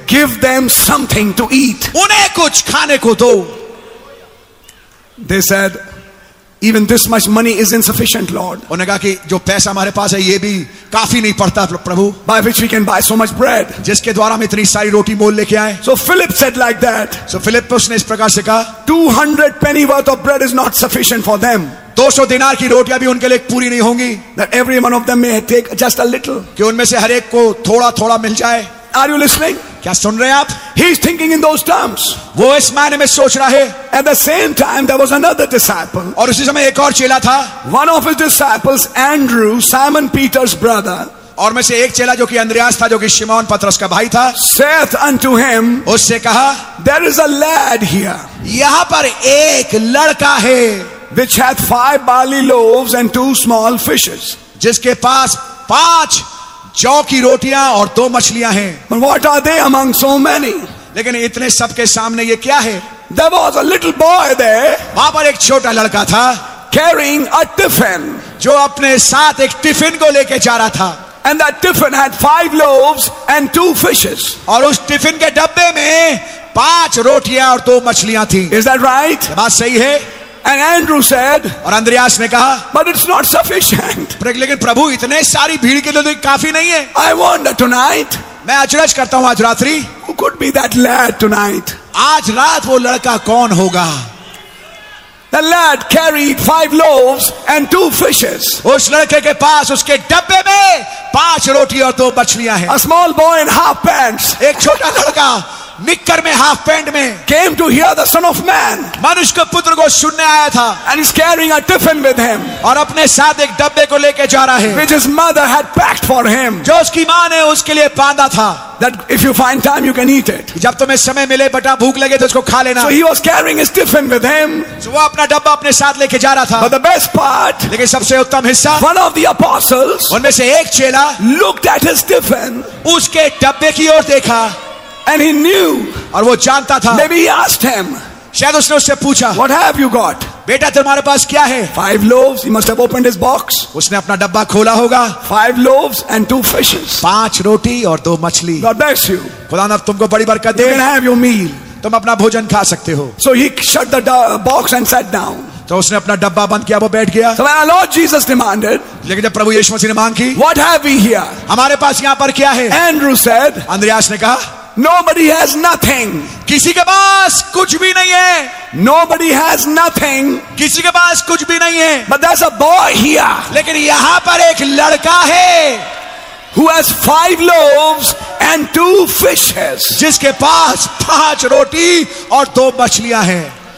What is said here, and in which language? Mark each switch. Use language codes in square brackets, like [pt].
[en] Give them something to eat. [hi] उन्हें कुछ खाने को दो. [en] They said, even this much money is insufficient, Lord. [hi] उन्हें कहा कि जो पैसा हमारे पास है ये भी काफी नहीं पड़ता प्रभु. [en] By which we can buy so much bread. [hi] जिसके द्वारा हम इतनी सारी रोटी मोल लेके आए. [en] So Philip said like that. [hi] So Philip उसने इस प्रकार से कहा. [en] 200 penny worth of bread is not sufficient for them. [hi] 200 दिनार की रोटियां भी उनके लिए पूरी नहीं होंगी. [en] That every one of them may take just a little. [hi] कि उनमें से हर एक को थोड़ा थोड़ा मिल जाए. [en] Are you listening? [hi] क्या सुन रहे हैं आप? [en] He is thinking in those terms. [hi] वो इस मायने में सोच रहा है. [en] At the same time, there was another disciple. [hi] और उसी समय एक और चेला था. [en] One of his disciples, Andrew, Simon Peter's brother. [hi] और में से एक चेला जो कि अंद्रियास था, जो कि शिमोन पत्रस का भाई था. [en] Saith unto him, [hi] उससे कहा, [en] there is a lad here. [hi] यहाँ पर एक लड़का है. [en] Which hath 5 barley loaves and 2 small fishes. [hi] जिसके पास 5 जौ की रोटियां और 2 मछलियां हैं. [en] But what are they among so many? [hi] लेकिन इतने सबके सामने ये क्या है? [en] There was a little boy there. [hi] वहां पर एक छोटा लड़का था. [en] carrying a tiffin. [hi] जो अपने साथ एक टिफिन को लेके जा रहा था. [en] And that tiffin had 5 loaves and 2 fishes. [hi] और उस टिफिन के डब्बे में 5 रोटियां और 2 मछलियां थी. [en] Is that right? [hi] बात सही है. [en] And Andrew said, [hi] और अंद्रियास ने कहा, [en] but it's not sufficient. [hi] लेकिन प्रभु इतने सारी भीड़ के लिए काफी नहीं है. [en] I wonder tonight. [hi] मैं अचरज करता हूँ आज रात्रि. [en] Who could be that lad tonight? [hi] आज रात वो लड़का कौन होगा? [en] The lad carried 5 loaves and 2 fishes. [hi] उस लड़के के पास उसके डब्बे में 5 रोटी और 2 मछलियां हैं. [en] A small boy in half pants. [hi] एक छोटा लड़का निक्कर में हाफ पैंट में. [en] Came to hear the son of man. [hi] मनुष्य के पुत्र को सुनने आया था. [en] And is carrying a tiffin with him. [hi] और अपने साथ एक डब्बे को लेके जा रहा है. [en] Which his mother had packed for him. [hi] जो उसकी माँ ने उसके लिए बांधा था. [en] That if you find time you can eat it. [hi] जब तुम्हें समय मिले बटा भूख लगे तो उसको खा लेना. [en] So he was carrying his tiffin with him. [hi] तो वो अपना डब्बा अपने साथ लेके जा रहा था. [en] But the best part. [hi] लेकिन सबसे उत्तम हिस्सा. [en] One of the apostles. [hi] उनमें से एक चेला. [en] Looked at his tiffin. [hi] उसके डब्बे की ओर देखा. [en] And he knew. [hi] और वो जानता था. [en] Maybe he asked him. [hi] शायद उसने उससे पूछा. [en] What have you got? [hi] बेटा तुम्हारे पास क्या है? [en] 5 loaves. He must have opened his box. [hi] उसने अपना डब्बा खोला होगा. [en] 5 loaves and 2 fishes. [hi] 5 रोटी और 2 मछली. [en] God bless you. [hi] खुदा ना तुमको बड़ी बरकत दे. [en] You can have your meal. [hi] तुम अपना भोजन खा सकते हो. [en] So he shut the box and sat down. [hi] तो उसने अपना डब्बा बंद किया वो बैठ गया. [en] So when our Lord Jesus demanded, [hi] लेकिन जब प्रभु यीशु मसीह ने मांग की. [en] What have we here? [hi] हमारे पास यहाँ पर क्या है? [en] Andrew said. [hi] अंद्रियास ने कहा. [en] Nobody has nothing. [hi] किसी के पास कुछ भी नहीं है. [en] Nobody has nothing. [hi] किसी के पास कुछ भी नहीं है. [en] But there's a boy here. [hi] लेकिन यहाँ पर एक लड़का है. [en] Who has 5 loaves and 2 fishes. [hi] जिसके पास 5 रोटी और 2 मछलियां हैं.